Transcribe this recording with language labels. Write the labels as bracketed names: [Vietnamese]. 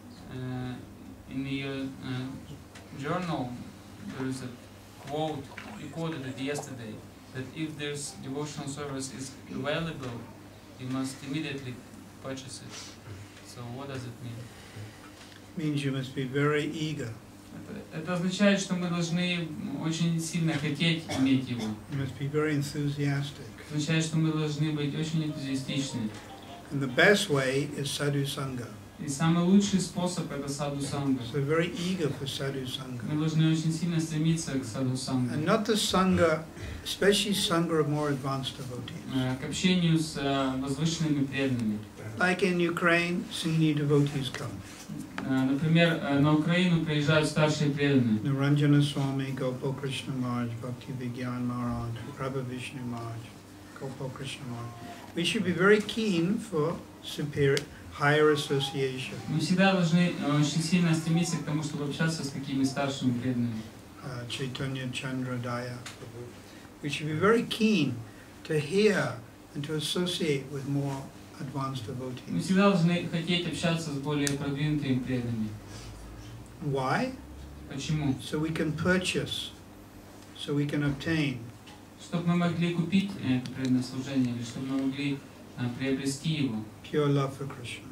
[English] In the journal, there is a quote, he quoted it yesterday, that if there's devotional service is available, you must immediately purchase it. So what does it mean? Means you must be very eager. [Russian] Это означает, что мы должны очень сильно хотеть иметь его. [English] You must be very enthusiastic. [Russian] Означает, что мы должны быть очень энтузиастичны. [English] And the best way is sadhu sangha. [Russian] И самый лучший способ это саду санга. [English] So very eager for sadhu sangha. [Russian] Мы должны очень сильно стремиться к саду санга. [English] And not the sangha, especially sangha of more advanced devotees. [Russian] К общению с возвышенными преданными. [English] Like in Ukraine, senior devotees come. [Russian] Например, на Украину приезжают старшие преданные. Наранджана Свами, Гопал Кришна Мардж, Бхакти Вигьян Маранд, Прабха Вишну Мардж, Гопал Кришна Мардж. [English] We should be very keen for superior. Higher association. [Russian] Мы всегда должны очень сильно стремиться к тому, чтобы общаться с какими старшими преданными. Чайтанья Чандрадая. [English] We should be very keen to hear and to associate with more advanced devotees. [Russian] Мы всегда должны хотеть общаться с более продвинутыми преданными. [English] Why? [Russian] Почему? [English] So we can purchase, so we can obtain. [Russian] Чтобы мы могли купить это преданное служение, или чтобы мы могли приобрести его. [English] Pure love for Krishna.